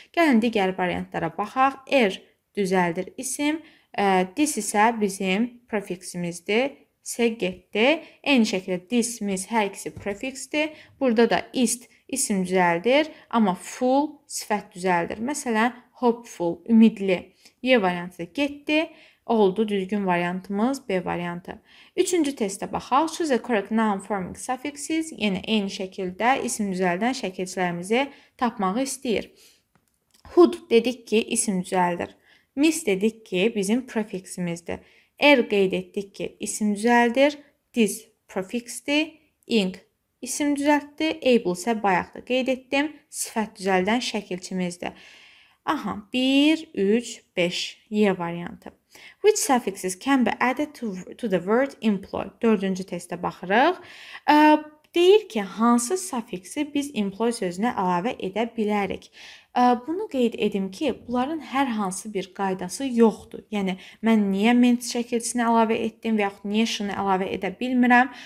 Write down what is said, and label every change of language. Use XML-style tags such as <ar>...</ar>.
<az>Gəlin digər variantlara baxaq, er düzəldir isim. This isə bizim prefiximizdir, isə getdi. Eyni şəkildə this, miss, hər ikisi prefixdir. Burada da ist isim düzəldir, amma full sifət düzəldir. Məsələn, hopeful, ümidli. Y variantı da getdi, oldu düzgün variantımız B variantı.</az> <en>Üçüncü testə baxaq. Choose a correct noun forming suffixes.</en> <az>Yəni, eyni şəkildə isim düzəldən şəkilçilərimizi tapmağı istəyir. Hood dedik ki, isim düzəldir. Miss dedik ki, bizim prefiximizdir. Er qeyd etdik ki, isim düzəldir. This prefixdir. Ing isim düzəltdi. Able isə bayaq da qeyd etdim. Sifət düzəldən şəkilçimizdir. Aha, 1, 3, 5. Y variantı.</az> <en>Which suffixes can be added to the word employ?</en> <az>Dördüncü testə baxırıq. Deyir ki, hansı suffixi biz employ sözünə əlavə edə bilərik? Bunu qeyd edim ki, bunların hər hansı bir qaydası yoxdur. Yəni, mən niyə ment şəkilçisini əlavə etdim və yaxud niyə şını əlavə edə bilmirəm?</az>